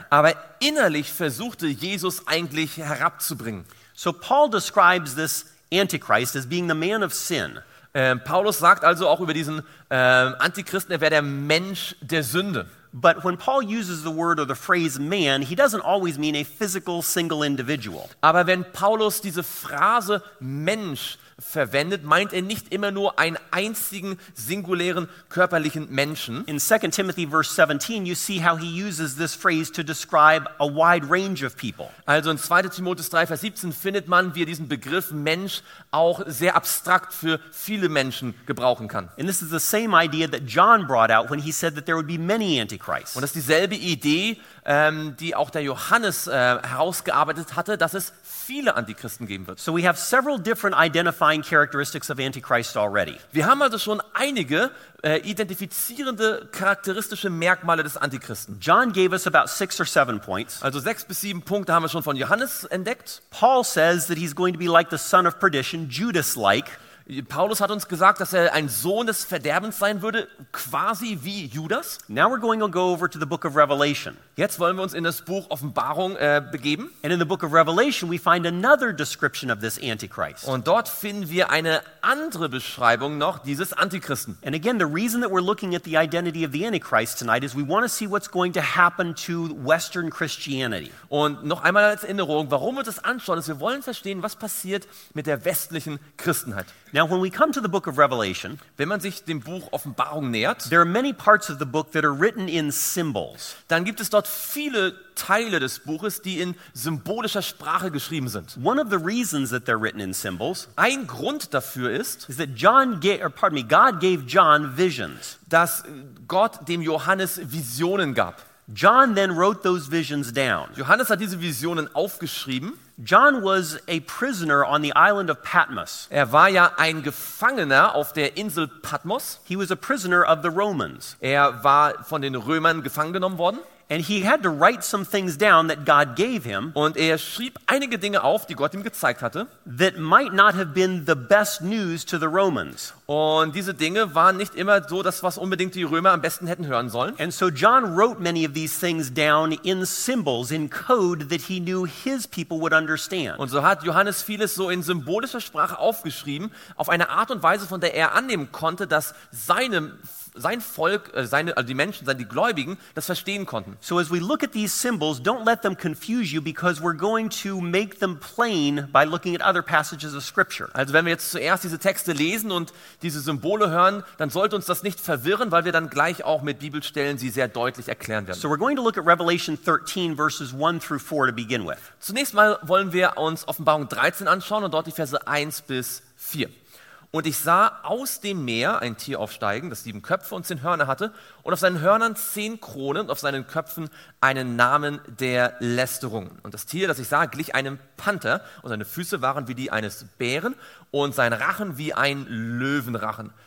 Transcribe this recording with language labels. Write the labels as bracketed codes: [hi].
[de] Aber innerlich versuchte Jesus eigentlich herabzubringen. [en] So Paul describes this Antichrist as being the man of sin. [de] Paulus sagt also auch über diesen Antichristen, er wäre der Mensch der Sünde. [en] But when Paul uses the word or the phrase man, he doesn't always mean a physical single individual. [de] Aber wenn Paulus diese Phrase Mensch verwendet, meint er nicht immer nur einen einzigen singulären körperlichen Menschen. [en] In 2 Timothy verse 17 you see how he uses this phrase to describe a wide range of people. [de] Also in 2. Timotheus 3 Vers 17 findet man, wie er diesen Begriff Mensch auch sehr abstrakt für viele Menschen gebrauchen kann. [en] And this is the same idea that John brought out when he said that there would be many antichrists. [de] Und das ist dieselbe Idee, die auch der Johannes herausgearbeitet hatte, dass es viele Antichristen geben wird. [en] So we have several different identifying characteristics of Antichrist already. [de] Wir haben also schon einige identifizierende charakteristische Merkmale des Antichristen. [en] John gave us about 6 or 7 points. [de] Also 6 bis 7 Punkte haben wir schon von Johannes entdeckt. [en] Paul says that he's going to be like the son of perdition, Judas-like. [de] Paulus hat uns gesagt, dass er ein Sohn des Verderbens sein würde, quasi wie Judas. [en] Now we're going to go over to the book of Revelation. [de] Jetzt wollen wir uns in das Buch Offenbarung begeben. [en] And in the book of Revelation we find another description of this Antichrist. [de] Und dort finden wir eine andere Beschreibung noch dieses Antichristen. [en] And again, the reason that we're looking at the identity of the Antichrist tonight is we want to see what's going to happen to Western Christianity. [de] Und noch einmal als Erinnerung, warum wir das anschauen, ist, wir wollen verstehen, was passiert mit der westlichen Christenheit. [en] Now when we come to the book of Revelation, [de] wenn man sich dem Buch Offenbarung nähert, [en] there are many parts of the book that are written in symbols. [de] Dann gibt es dort viele Teile des Buches, die in symbolischer Sprache geschrieben sind. [en] One of the reasons that they're written in symbols, [de] ein Grund dafür ist, [en] is that John gave, or pardon me, God gave John visions. [de] Dass Gott dem Johannes Visionen gab. [en] John then wrote those visions down. [de] Johannes hat diese Visionen aufgeschrieben. [en] John was a prisoner on the island of Patmos. [de] Er war ja ein Gefangener auf der Insel Patmos. [en] He was a prisoner of the Romans. [de] Er war von den Römern gefangen genommen worden. [en] And he had to write some things down that God gave him. [de] Und er schrieb einige Dinge auf, die Gott ihm gezeigt hatte. [en] That might not have been the best news to the Romans. [de] Und diese Dinge waren nicht immer so das, was unbedingt die Römer am besten hätten hören sollen. [en] And so John wrote many of these things down in symbols, in code that he knew his people would understand. [de] Und so hat Johannes vieles so in symbolischer Sprache aufgeschrieben, auf eine Art und Weise, von der er annehmen konnte, dass sein Volk, seine, also die Menschen, die Gläubigen, das verstehen konnten. [en] So as we look at these symbols, don't let them confuse you, because we're going to make them plain by looking at other passages of Scripture. [de] Also wenn wir jetzt zuerst diese Texte lesen und diese Symbole hören, dann sollte uns das nicht verwirren, weil wir dann gleich auch mit Bibelstellen sie sehr deutlich erklären werden. [en] So we're going to look at Revelation 13, verses 1 through 4 to begin with. [de] Zunächst mal wollen wir uns Offenbarung 13 anschauen und dort die Verse 1 bis 4. Und ich sah aus dem Meer ein Tier aufsteigen, das 7 Köpfe und 10 Hörner hatte, und auf seinen Hörnern 10 Kronen und auf seinen Köpfen einen Namen der Lästerung. Und das Tier, das ich sah, glich einem Panther, und seine Füße waren wie die eines Bären und sein Rachen wie ein Löwenrachen.